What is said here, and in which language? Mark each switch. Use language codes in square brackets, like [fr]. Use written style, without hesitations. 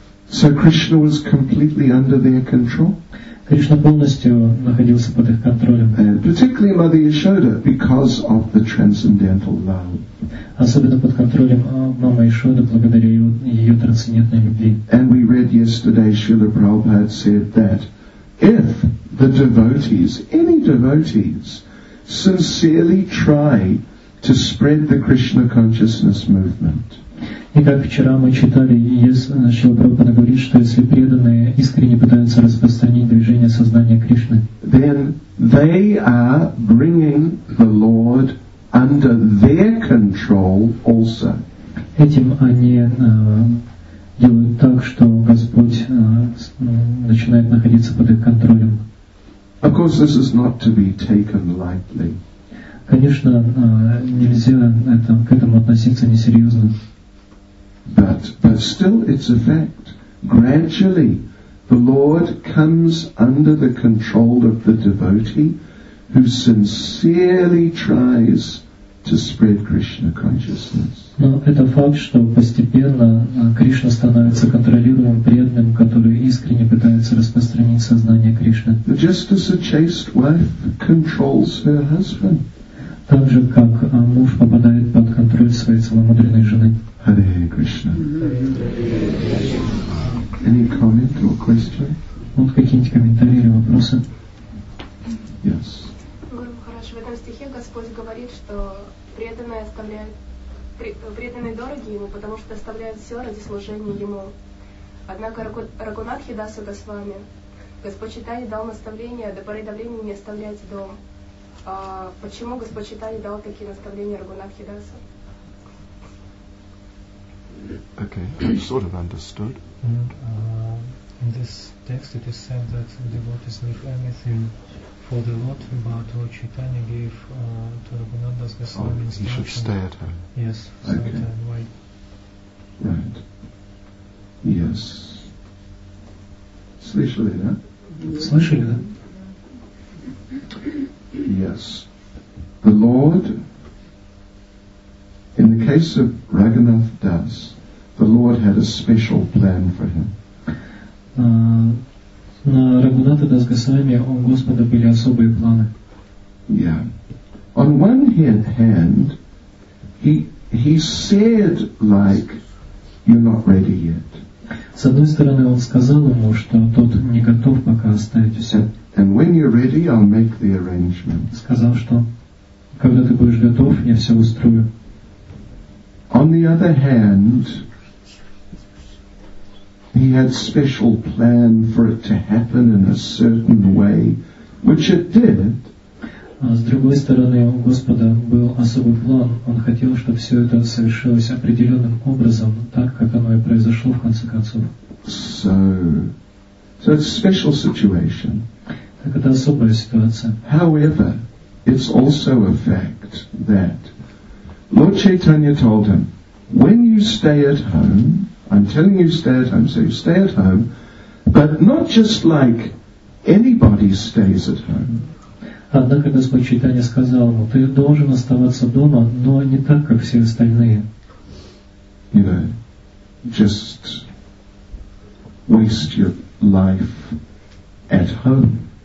[en] So Krishna was completely under their control. [ru] Кришна полностью находился под их контролем. [en] And particularly Mother Yashoda, because of the transcendental love. [ru] Особенно под контролем мамы Яшоды, благодаря ее трансцендентной любви. [en] And we read yesterday, Srila Prabhupada said that if the devotees, any devotees, sincerely try to spread the Krishna consciousness movement. [ru] И как вчера мы читали, Шрила Прабхупада говорит, что если преданные искренне пытаются распространить движение сознания Кришны, [en] then they are bringing the Lord under their control also. [ru] Этим они делают так, что Господь начинает находиться под их контролем. [en] Of course, this is not to be taken lightly. [ru] Конечно, нельзя это, к этому относиться несерьезно. [en] But still it's a fact. Gradually the Lord comes under the control of the devotee who sincerely tries to spread Krishna consciousness. [ru] Но это факт, что постепенно Кришна становится контролируемым преданным, который искренне пытается распространить сознание Кришны. [en] Just as a chaste wife controls her husband. [ru] Так же, как муж попадает под контроль своей целомудренной жены. [en] Hare Krishna. Any comment or question? [ru] Вот какие-нибудь комментарии или вопросы? [en] Yes. [ru] Гуру Махарадж, в этом стихе Господь говорит, что преданные оставляют, преданные дороги Ему, потому что оставляют все ради служения Ему. Однако Рагунатхи Даса Госвами, Господь Читай дал наставление, до поры до времени не оставлять дом. Почему Господь Читай дал такие наставления Рагунатхи Даса? [en] Okay, I sort of understood. And in this text it is said that devotees leave anything for the Lord, but Lord Chaitanya gave to Raghunath Das Goswami instruction. He should stay at home. Yes, stay okay. At home, right. Right. Yes. [ru] Слышали, да? Слышали, да? [en] Yes. The Lord, in the case of Raghunath Das, the Lord had a special plan for him. [ru] На Рагунатха Дас Госвами у Господа были особые планы. [en] Yeah. On one hand, he said like, "You're not ready yet." [ru] С одной стороны, он сказал ему, что тот не готов пока оставить все. [en] And when you're ready, I'll make the arrangement. [ru] Сказал, что когда ты будешь готов, я все устрою. [en] On the other hand, he had special plan for it to happen in a certain way, which it did. [ru] С другой стороны, у Господа был особый план. Он хотел, чтобы все это совершилось определенным образом, так как оно и произошло в конце концов. [en] So it's a special situation. [ru] Так это особая ситуация. [en] However, it's also a fact that Lord Chaitanya told him, when you stay at home, I'm telling you stay at home, so you stay at home, but not just like anybody stays at home. [ru] Однако Господь Чайтанья сказал ему, ты должен оставаться дома, но не так, как все остальные. [en] You know, just waste your life at home.